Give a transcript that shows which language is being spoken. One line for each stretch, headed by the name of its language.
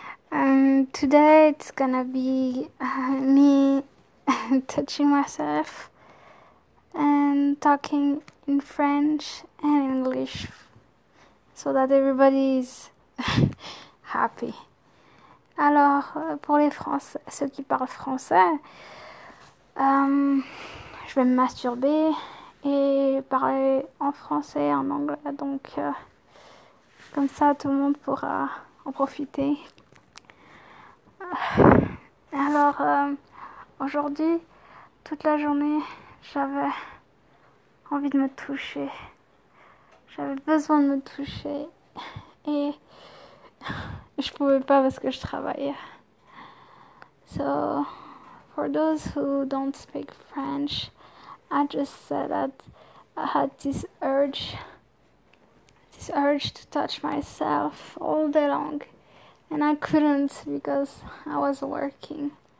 English: Today it's gonna be me touching myself and talking in French and English so that everybody's happy.
French: Alors, pour les Français, ceux qui parlent français, je vais me masturber et parler en français et en anglais, donc comme ça tout le monde pourra en profiter. Alors, aujourd'hui, toute la journée, j'avais envie de me toucher. J'avais besoin de me toucher et je pouvais pas parce que je travaillais.
English: So, for those who don't speak French, I just said that I had this urge to touch myself all day long, and I couldn't because I was working.